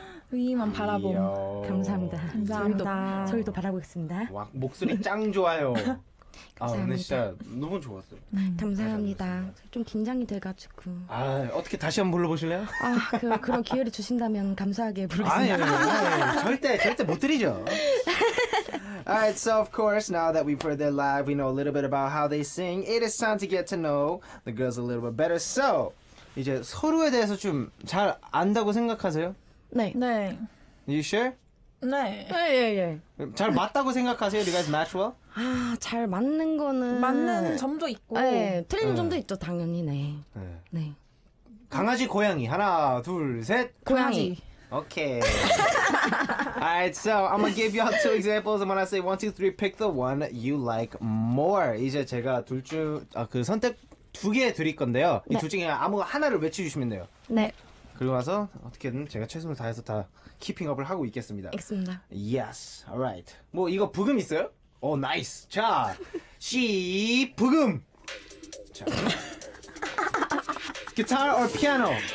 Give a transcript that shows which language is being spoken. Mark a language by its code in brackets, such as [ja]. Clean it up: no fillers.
[ko] 위위만 바라봄. 감사합니다. 감사합니다. 저희도 바라보겠습니다. 와, 목소리 짱 좋아요. 감사합니다. 아 오늘 진짜 너무 좋았어요. 감사합니다. 좀 긴장이 돼가지고. 아 어떻게 다시 한번 불러보실래요? 아 그런 기회를 주신다면 감사하게 부르겠습니다. 아니, 절대 못 드리죠. [en] Alright, so of course now that we've heard their live, we know a little bit about how they sing. It is time to get to know the girls a little bit better. [ko] So 이제 서로에 대해서 좀 잘 안다고 생각하세요? 네. 네. [en] You sure? [ko] 네. 예. 잘 맞다고 생각하세요? [en] You guys match well? [ko] 아, 잘 맞는 거는 맞는 점도 있고 네, 틀린 점도 있죠 당연히 네. 네. 강아지 고양이 하나 둘 셋 고양이 [en] 오케이 okay. Alright, so I'm gonna give you all two examples. I'm gonna say 1, 2, 3 pick the one you like more. [ko] 이제 제가 둘 중 아, 그 선택 두 개 드릴 건데요 네. 이 둘 중에 아무 하나를 외쳐주시면 돼요 네 그리고 나서 어떻게든 제가 최선을 다해서 다 키핑업을 하고 있겠습니다 있습니다 [en] Yes, alright [ko] 뭐 이거 부금 있어요? 오 나이스 자 시 부금 자 [en] guitar or piano